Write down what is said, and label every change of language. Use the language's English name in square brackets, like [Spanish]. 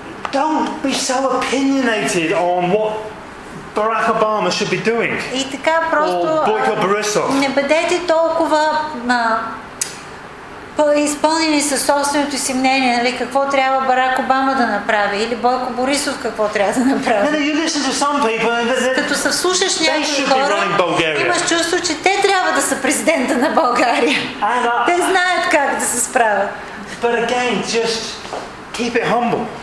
[English] Don't be so opinionated on what Barack Obama should be doing. [Bulgarian] И така просто не бъдете толкова изпълнени със собственото си мнение, нали, какво трябва Барак Обама да направи или Бойко Борисов какво трябва да направи. Като се вслушаш някои хора, имаш чувство, че те трябва да са президента на България. Те знаят как да се справят. [English] But again, just keep it humble.